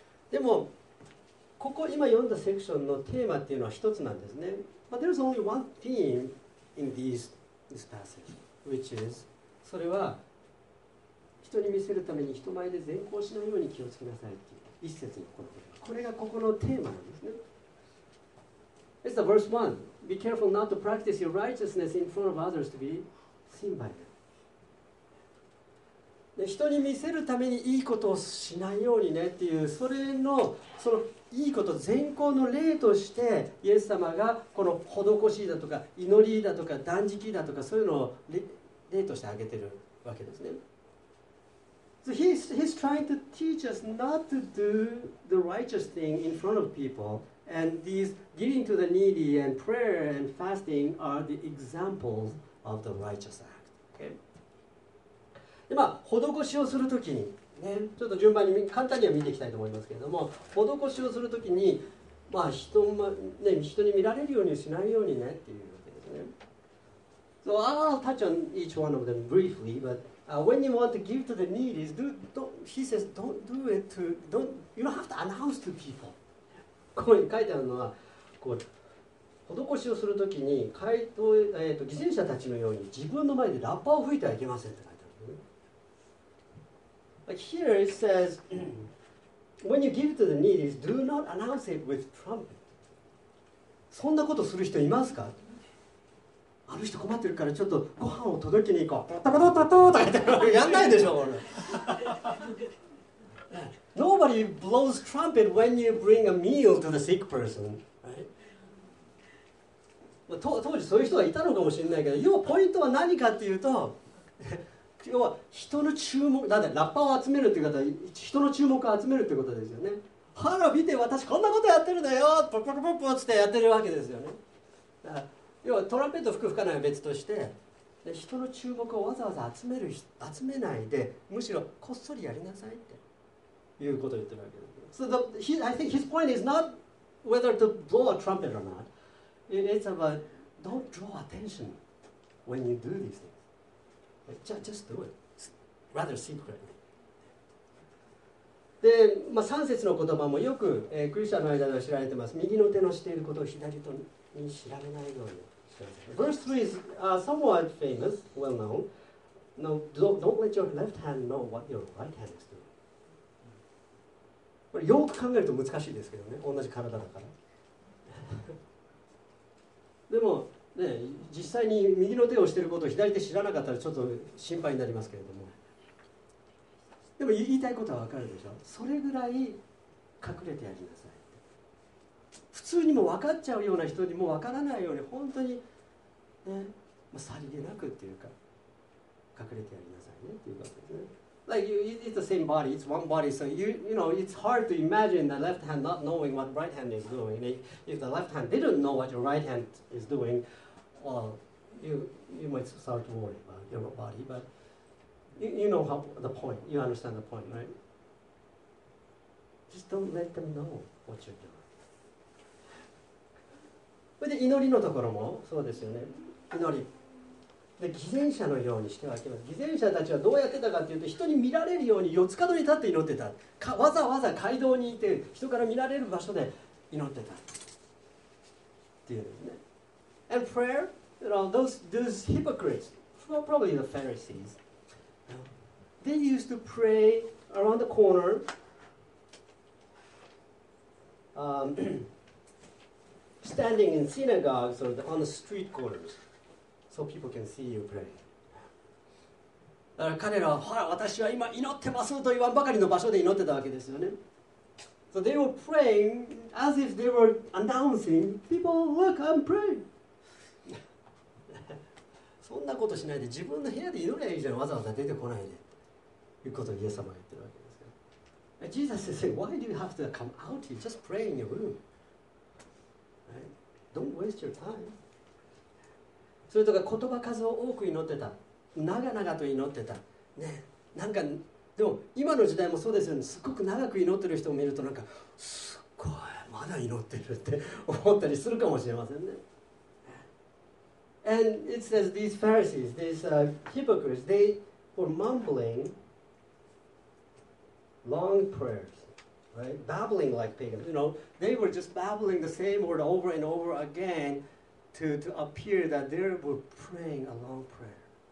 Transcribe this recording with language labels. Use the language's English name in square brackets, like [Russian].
[Japanese] でもここ今読んだセクションのテーマっていうのは一つなんですね。 [English] But there's only one theme in this passageWhich is, [Japanese] それは人に見せるために人前で善行しないように気をつけなさいっていう一節のこの言葉。これがここのテーマなんですね。 [English] It's the verse one. Be careful not to practice your righteousness in front of others to be seen by them. [Japanese] で人に見せるためにいいことをしないようにねっていう、それのそのいいこと善行の例としてイエス様がこの施しだとか祈りだとか断食だとかそういうのを 例として挙げてるわけですね。 [English] So he's trying to teach us not to do the righteous thing in front of people, and these giving to the needy and prayer and fasting are the examples of the righteous act. Okay. [Japanese] でまあ施しをするときにね、ちょっと順番に簡単には見ていきたいと思いますけれども、施しをするときに、まあ 人に見られるようにしないようにねっていうわけですね。 [English] So I'll touch on each one of them briefly, but when you want to give to the needy, he says don't do it to, you don't have to announce to people. [Japanese] ここに書いてあるのはこう、施しをするときに回答、犠牲者たちのように自分の前でラッパを吹いてはいけませんって書いてある。 [English] Like here it says, when you give to the needy, do not announce it with trumpet. [Japanese] そんなことする人いますか？あの人困ってるからちょっとご飯を届けに行こう。タタタタタタタタ。やんないでしょ、俺。 [English] Nobody blows trumpet when you bring a meal to the sick person. Right? [Japanese] 当時そういう人がいたのかもしれないけど、要はポイントは何かっていうと、要は人の注目、だってラッパーを集めるっていうことは人の注目を集めるっていうことですよね。ほら見て、私こんなことやってるんだよ、ポッポッポッポッってやってるわけですよね。だから要はトランペット吹く吹かないは別として、で人の注目をわざわざ集めないで、むしろこっそりやりなさいっていうことを言ってるわけです。 [English] So I think his point is not whether to blow a trumpet or not. It's about don't draw attention when you do these things. Just do it. Rather secretly. [Japanese] で、まあ、3節の言葉もよく、クリスチャンの間では知られています。右の手のしていることを左に知られないようにします。 [English] Verse 3 is somewhat famous, well known. No, don't let your left hand know what your right hand is doing. [Japanese] これよく考えると難しいですけどね。同じ体だから。でも、ね、実際に右の手をしていることを左手知らなかったらちょっと心配になりますけれども、でも言いたいことは分かるでしょ。それぐらい隠れてやりなさい。普通にも分かっちゃうような人にも分からないように本当に、ね、まあ、さりげなくっていうか隠れてやりなさいねっていうことですね。 [English] Like it's the same body, it's one body, so you know it's hard to imagine the left hand not knowing what right hand is doing. If the left hand didn't know what your right hand is doing, well, you might start to worry about your body, but you know how the point, you understand the point, right? Just don't let them know what you're doing. [Japanese] それで祈りのところもそうですよね。祈り。で偽善者のようにしてはいけません。偽善者たちはどうやってたかというと、人に見られるように四つ角に立って祈ってた。わざわざ街道にいて人から見られる場所で祈ってたっていうんですね。 [English] And prayer, you know, those hypocrites, probably the Pharisees, they used to pray around the corner, standing in synagogues or on the street corners. So people can see you pray. [Japanese] だから彼らは、ほら私は今祈ってますと言わんばかりの場所で祈ってたわけですよね。 [English] So they were praying as if they were announcing, people look, I'm praying. [Japanese] そんなことしないで自分の部屋で祈ればいいじゃん、わざわざ出てこないでということをイエス様は言ってるわけですよ。 [English] Jesus is saying, why do you have to come out here? Just pray in your room.、Right? Don't waste your time. [Japanese] それとか言葉数を多く祈ってた、長々と祈ってた、ね、なんかでも今の時代もそうですよね。すごく長く祈ってる人を見るとなんかすごいまだ祈ってるって思ったりするかもしれませんね。 [English] And it says these Pharisees, these hypocrites, they were mumbling long prayers, right? Babbling like pagans. You know, they were just babbling the same word over and over again. To appear that they were praying a long prayer.